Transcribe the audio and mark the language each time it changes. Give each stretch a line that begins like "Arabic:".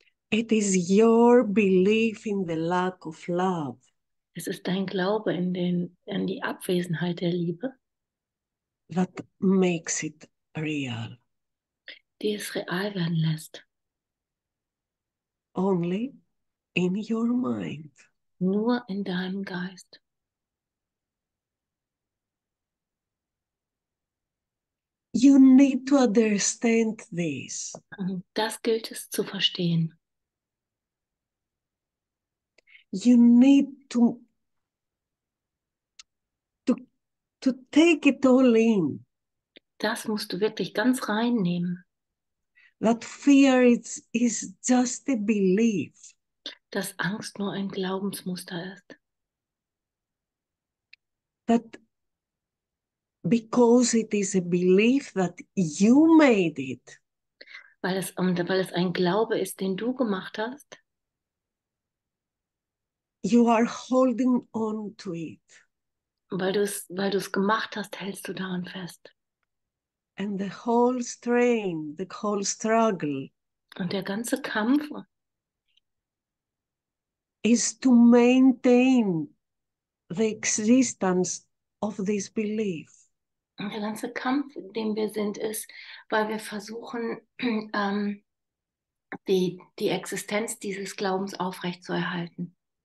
English: It is your belief in the lack of love.
German: Es ist dein Glaube in die Abwesenheit der Liebe,
English: That makes it real.
German: die es real werden lässt.
English: Only in your mind.
German: Nur in deinem Geist.
English: You need to understand this.
German: Das gilt es zu verstehen.
English: You need to take it all in.
German: Das musst du wirklich ganz reinnehmen.
English: That fear is just a belief.
German: Dass Angst nur ein Glaubensmuster ist.
English: That because it is a belief that you made it.
German: Weil es ein Glaube ist, den du gemacht hast.
English: You are holding on to it.
German: Weil du es gemacht hast, hältst du daran fest.
English: And the whole strain, the whole struggle
German: Und der ganze Kampf
English: is to maintain the existence of this belief.
German: Der ganze Kampf, in dem wir sind, ist, weil wir versuchen, die Existenz dieses Glaubens aufrechtzuerhalten.